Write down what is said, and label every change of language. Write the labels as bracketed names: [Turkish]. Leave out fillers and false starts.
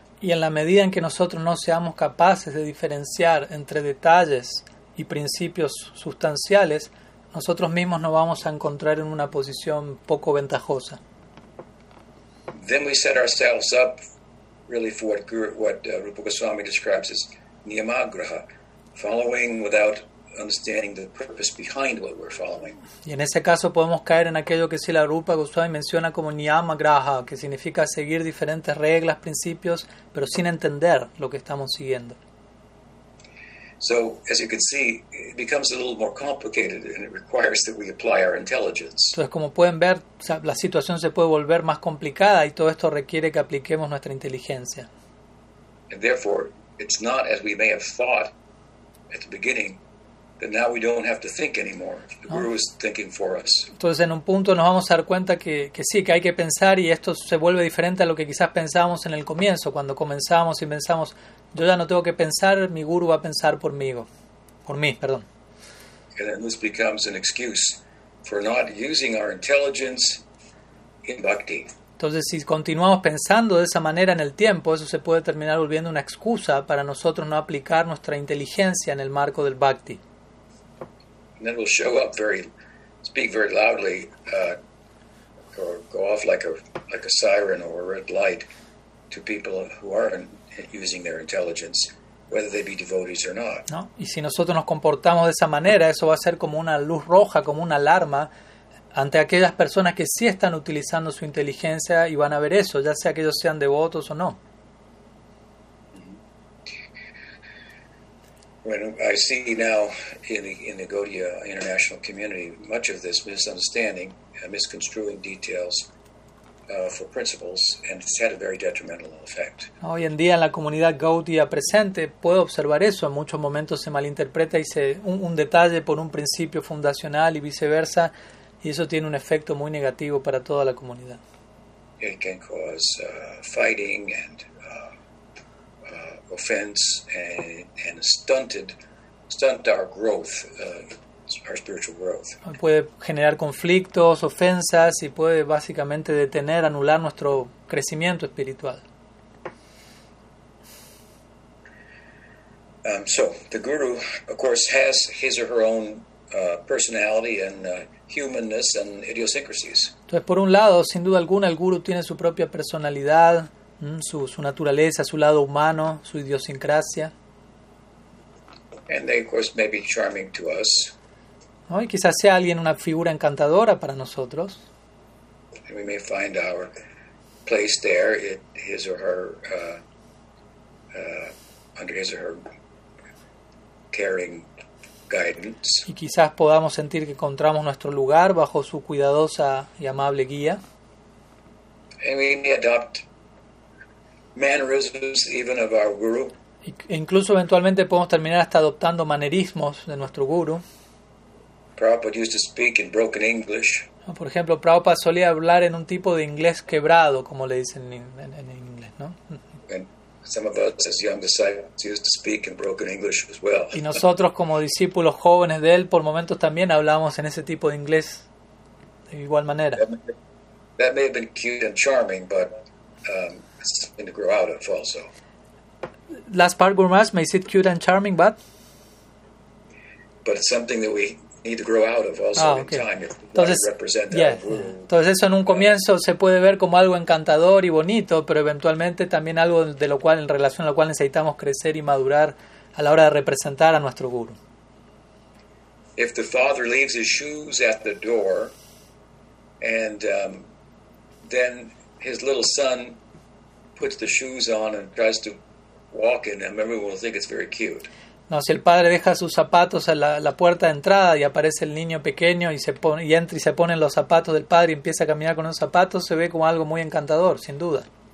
[Spanish] Y en la medida en que nosotros no seamos capaces de diferenciar entre detalles y principios sustanciales, nosotros mismos nos vamos a encontrar en una posición poco ventajosa. [English] Then we set ourselves up really for what Rupa Goswami describes as niyamagraha, following without understanding the purpose behind what we're following. [Spanish] Y en ese caso podemos caer en aquello que Srila Rupa Goswami menciona como niyamagraha, que significa seguir diferentes reglas, principios, pero sin entender lo que estamos siguiendo. [English] So, as you can see, it becomes a little more complicated and it requires that we apply our intelligence. [Spanish] Entonces, como pueden ver, la situación se puede volver más complicada y todo esto requiere que apliquemos nuestra inteligencia. [English] And therefore, it's not as we may have thought at the beginning, that now we don't have to think anymore. The guru is thinking for us. [Spanish] Entonces, en un punto nos vamos a dar cuenta que sí, que hay que pensar, y esto se vuelve diferente a lo que quizás pensábamos en el comienzo, cuando comenzamos y pensamos, yo ya no tengo que pensar, mi guru va a pensar por mí. [English] And then this becomes an excuse for not using our intelligence in bhakti. [Spanish] Entonces, si continuamos pensando de esa manera en el tiempo, eso se puede terminar volviendo una excusa para nosotros no aplicar nuestra inteligencia en el marco del bhakti. [English] And then we'll show up very, speak very loudly, or go off like a siren or a red light to people who aren't using their intelligence, whether they be devotees or not. [Spanish] No, y si nosotros nos comportamos de esa manera, eso va a ser como una luz roja, como una alarma ante aquellas personas que sí están utilizando su inteligencia y van a ver eso, ya sea que ellos sean devotos o no. [English] Bueno, I see now in the Gaudiya international community much of this misunderstanding and misconstruing details for principles, and it's had a very detrimental effect. [Spanish] Hoy en día en la comunidad Gaudiya presente puedo observar eso. En muchos momentos se malinterpreta y se un detalle por un principio fundacional y viceversa, y eso tiene un efecto muy negativo para toda la comunidad. [English] It can cause fighting and offense and stunt our growth, our spiritual growth. [Spanish] Puede generar conflictos, ofensas, y puede básicamente detener, anular nuestro crecimiento espiritual. [English] So the guru, of course, has his or her own personality and humanness and idiosyncrasies. [Spanish] Entonces, por un lado, sin duda alguna, el guru tiene su propia personalidad, su naturaleza, su lado humano, su idiosincrasia. [English] And they, of course, may be charming to us. [Spanish] ¿No? Y quizás sea alguien una figura encantadora para nosotros. [English] And we may find our place there, his or her, under his or her caring guidance. [Spanish] Y quizás podamos sentir que encontramos nuestro lugar bajo su cuidadosa y amable guía. [English] And we may adopt mannerisms even of our guru. [Spanish] Incluso eventualmente podemos terminar hasta adoptando manerismos de nuestro guru. [English] Prabhupada used to speak in broken English. [Spanish] Por ejemplo, Prabhupada solía hablar en un tipo de inglés quebrado, como le dicen en inglés, ¿no? [English] And some of us as young disciples used to speak in broken English as well. [Spanish] Y nosotros como discípulos jóvenes de él, por momentos también hablábamos en ese tipo de inglés de igual manera. [English] That may have been cute and charming, but it's something to grow out of also. Last part, Gurmaz, may sit cute and charming, but? But it's something that we need to grow out of also in time. [Spanish] Entonces, entonces eso en un comienzo se puede ver como algo encantador y bonito, pero eventualmente también algo de lo cual, en relación a lo cual necesitamos crecer y madurar a la hora de representar a nuestro guru. [English] If the father leaves his shoes at the door and then his little son puts the shoes on and tries to walk in them, everyone will think it's very cute. [Spanish] No, si el padre deja sus zapatos a la puerta de entrada y aparece el niño pequeño y entra y se pone en los zapatos del padre y empieza a caminar con los zapatos, se ve como algo muy encantador, sin duda.